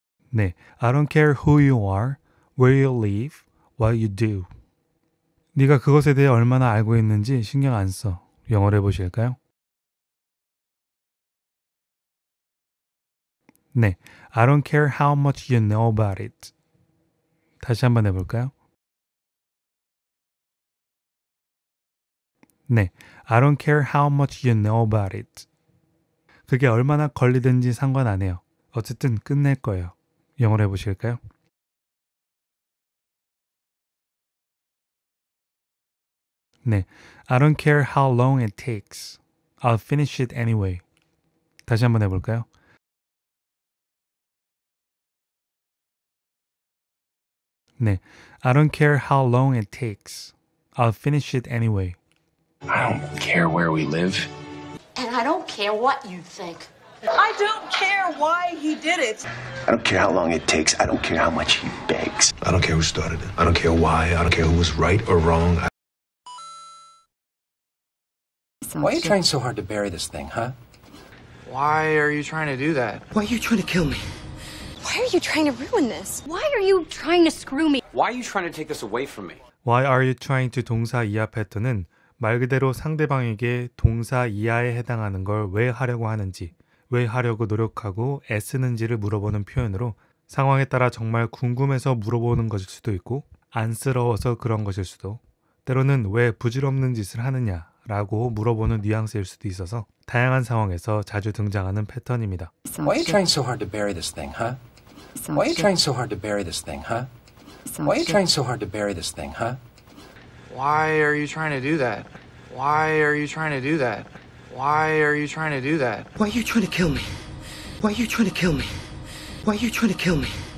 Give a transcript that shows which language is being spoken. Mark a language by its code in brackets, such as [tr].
[en] 네, I don't care who you are, where you live, what you do. [ko] 네가 그것에 대해 얼마나 알고 있는지 신경 안 써. 영어로 해보실까요? [en] 네, I don't care how much you know about it. [ko] 다시 한번 해볼까요? [en] 네, I don't care how much you know about it. [ko] 그게 얼마나 걸리든지 상관 안 해요. 어쨌든 끝낼 거예요. 영어로 해보실까요? [en] 네, I don't care how long it takes. I'll finish it anyway. [ko] 다시 한번 해볼까요? [en] 네, I don't care how long it takes. I'll finish it anyway. I don't care where we live. And I don't care what you think. I don't care why he did it. I don't care how long it takes. I don't care how much he begs. I don't care who started it. I don't care why. I don't care who was right or wrong. Why are you trying so hard to bury this thing, huh? Why are you trying to do that? Why are you trying to kill me? Why are you trying to ruin this? Why are you trying to screw me? Why are you trying to take this away from me? Why are you trying to [ko] 동사 이하 패턴은 말 그대로 상대방에게 동사 이하에 해당하는 걸 왜 하려고 하는지, 왜 하려고 노력하고 애쓰는지를 물어보는 표현으로 상황에 따라 정말 궁금해서 물어보는 것일 수도 있고 안쓰러워서 그런 것일 수도, 때로는 왜 부질없는 짓을 하느냐 라고 물어보는 뉘앙스일 수도 있어서 다양한 상황에서 자주 등장하는 패턴입니다. [en] Why are you trying so hard to bury this thing, huh? Why are you trying so hard to bury this thing, huh? Why are you trying so hard to bury this thing, huh? Why are you trying to do that? Why are you trying to do that? Why are you trying to do that? Why are you trying to kill me? Why are you trying to kill me? Why are you trying to kill me?